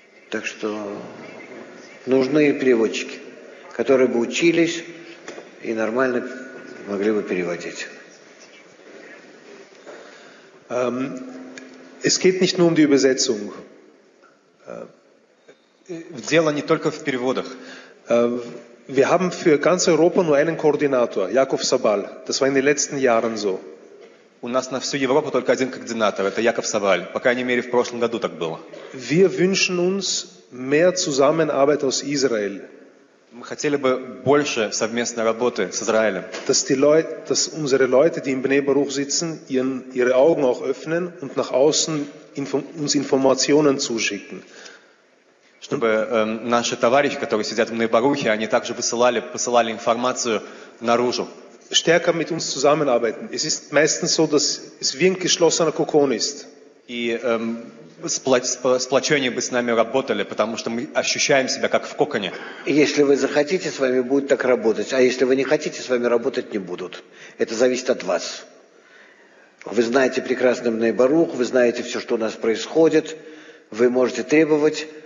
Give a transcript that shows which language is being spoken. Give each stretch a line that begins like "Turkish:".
Russian: Так что нужны переводчики, которые бы учились и нормально могли бы переводить.
German: Es geht nicht nur um die Übersetzung.
Russian: Дело не только в переводах.
German: Wir haben für ganz Europa nur einen Koordinator, Jakob Sabal. Das war in den letzten Jahren so.
Russian: У нас на всю Европу только один координатор, это Яков Саваль. По крайней мере, в прошлом году так было.
German: Wir wünschen uns mehr Zusammenarbeit aus Israel.
Russian: Мы хотели бы больше совместной работы с Израилем.
German: Dass unsere Leute, die im Bnei Baruch sitzen, ihre Augen auch öffnen und nach außen uns Informationen zuschicken.
Russian: Чтобы наши товарищи, которые сидят в Нейбарухе, они также посылали информацию наружу.
German: Stärker mit uns zusammenarbeiten. Es ist meistens so, dass es wie ein geschlossener Kokon ist.
Russian: И сплочение бы с нами работали, потому что мы ощущаем себя как в коконе. Если вы захотите, с вами будет так работать, а если вы не хотите, с вами работать не будут. Это зависит от вас. Вы знаете прекрасный Нейбарух, вы знаете все, что у нас происходит, вы можете требовать.